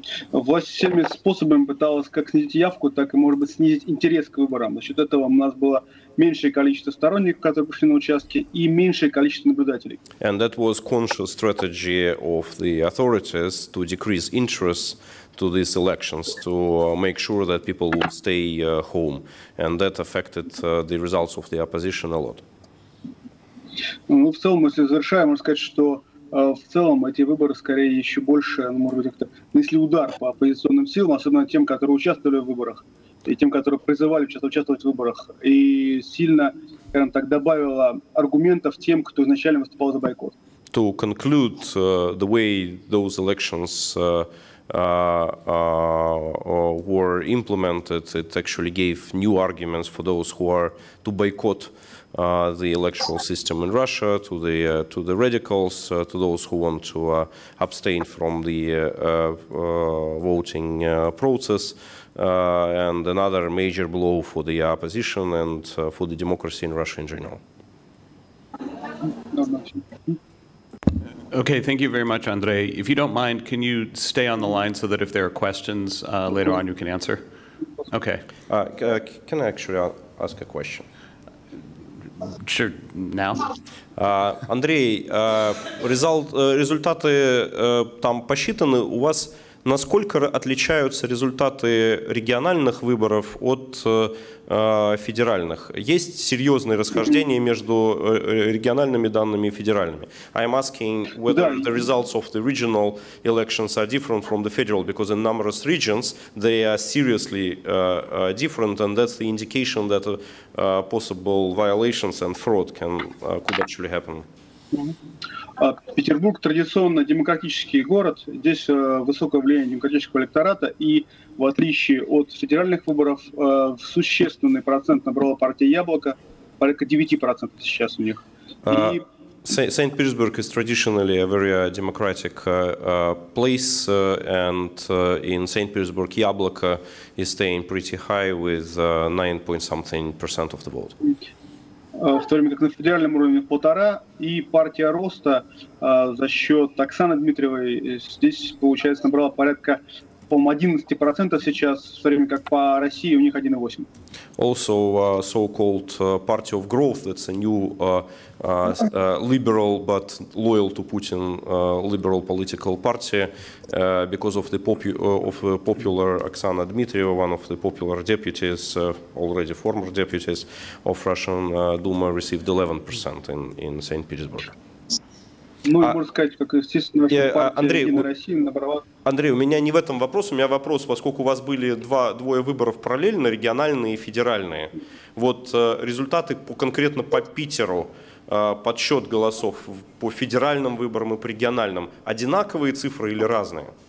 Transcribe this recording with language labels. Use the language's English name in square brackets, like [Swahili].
[Russian] Власть всеми способами пыталась как снизить явку, так и, может быть, снизить интерес к выборам. За счет этого у нас было меньшее количество сторонников, которые пришли на участки, и меньшее количество наблюдателей. [English] And that was conscious strategy of the authorities to decrease interest to these elections, to make sure that people would stay home. And that affected the results of the opposition a lot. [Russian] Ну, в целом, если завершаем, можно сказать, что в целом эти выборы скорее еще больше, может быть, как-то нанесли удар по оппозиционным силам, особенно тем, которые участвовали в выборах, и тем, которые призывали участвовать в выборах, и сильно, скажем так, добавило аргументов тем, кто изначально выступал за бойкот. [English] To conclude, the way those elections were implemented, it actually gave new arguments for those who are to boycott the electoral system in Russia, to the radicals, to those who want to abstain from the voting process, and another major blow for the opposition and for the democracy in Russia in general. Okay, thank you very much, Andrei. If you don't mind, can you stay on the line so that if there are questions later on, you can answer? Okay. Can I actually ask a question? Sure, now. [Russian] Андрей, результаты там посчитаны. У вас насколько отличаются результаты региональных выборов от федеральных? Есть серьезные расхождения между региональными данными и федеральными? [English] I'm asking whether the results of the regional elections are different from the federal, because in numerous regions they are seriously different, and that's the indication that possible violations and fraud could actually happen. [Russian] Петербург традиционно демократический город, здесь высокое влияние демократического электората, и в отличие от федеральных выборов, существенный процент набрала партия «Яблоко», порядка 9% сейчас у них. [English] St. Petersburg is traditionally a very democratic place, and in St. Petersburg, «Яблоко» is staying pretty high with 9-point-something% of the vote. [Russian] В то время как на федеральном уровне 1.5, и партия роста за счет Оксаны Дмитриевой здесь, получается, набрала порядка, по-моему, 11% сейчас, в то время как по России у них 1.8%. [English] Also, so-called party of growth, that's a new liberal, but loyal to Putin liberal political party, because of the popular Оксана Дмитриева, one of the popular deputies, already former deputies of Russian Duma, received 11% in St. Petersburg. [Russian] Ну, и можно сказать, как, естественно, что партия «Единая Россия» набрала... Андрей, у меня не в этом вопрос. У меня вопрос, поскольку у вас были двое выборов параллельно, региональные и федеральные. Вот результаты конкретно по Питеру, подсчет голосов по федеральным выборам и по региональным, одинаковые цифры или разные?